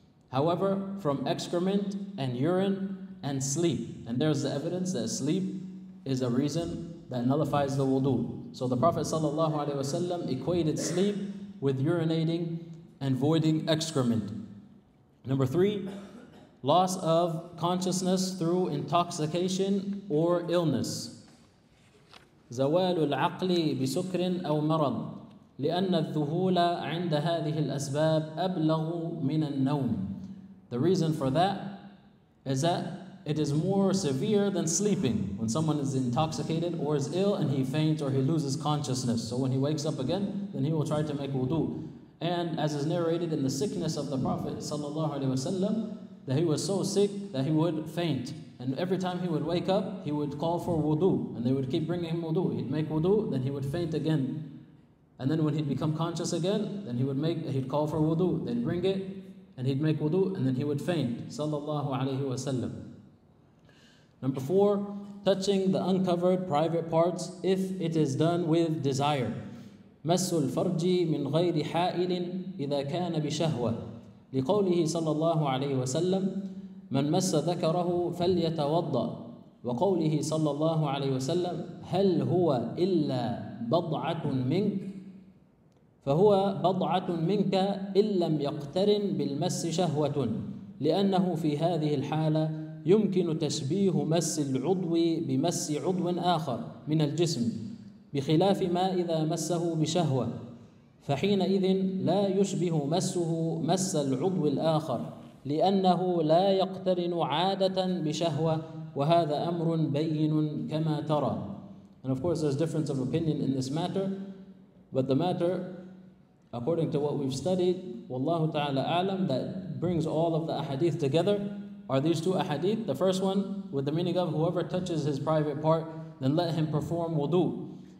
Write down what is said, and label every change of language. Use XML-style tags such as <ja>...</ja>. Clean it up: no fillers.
<en>However, from excrement and urine and sleep, and there's the evidence that sleep is a reason that nullifies the wudu. So the Prophet sallallahu alaihi wasallam equated sleep with urinating and voiding excrement. Number three, loss of consciousness through intoxication or illness.</en> <ar>زوال العقل بسكر أو مرض، لأن الذهول عند هذه الأسباب أبلغ من النوم.</ar> <en>The reason for that is that it is more severe than sleeping when someone is intoxicated or is ill and he faints or he loses consciousness. So when he wakes up again, then he will try to make wudu. And as is narrated in the sickness of the Prophet sallallahu alaihi wasallam, that he was so sick that he would faint. And every time he would wake up, he would call for wudu, and they would keep bringing him wudu. He'd make wudu, then he would faint again. And then when he'd become conscious again, then he'd call for wudu. They'd bring it, and he'd make wudu, and then he would faint. Sallallahu alayhi wa sallam. Number four, touching the uncovered private parts if it is done with desire.</en> <ar>مَسُّ الْفَرْجِ مِنْ غَيْرِ حَائِلٍ إِذَا كَانَ بِشَهْوَةٍ لِقَوْلِهِ صَلَّى اللَّهُ عَلَيْهِ وَسَلَّمْ من مس ذكره فليتوضأ، وقوله صلى الله عليه وسلم: هل هو إلا بضعة منك؟ فهو بضعة منك إن لم يقترن بالمس شهوة، لأنه في هذه الحالة يمكن تشبيه مس العضو بمس عضو آخر من الجسم، بخلاف ما إذا مسه بشهوة، فحينئذ لا يشبه مسه مس العضو الآخر، لأنه لا يقترن عادة بشهوة، وهذا أمر بين كما ترى.</ar> <en>And of course there's difference of opinion in this matter, but the matter according to what we've studied,</en> <ar>والله تعالى أعلم,</ar> <en>that brings all of the ahadith together are these two ahadith. The first one with the meaning of whoever touches his private part, then let him perform wudu.</en>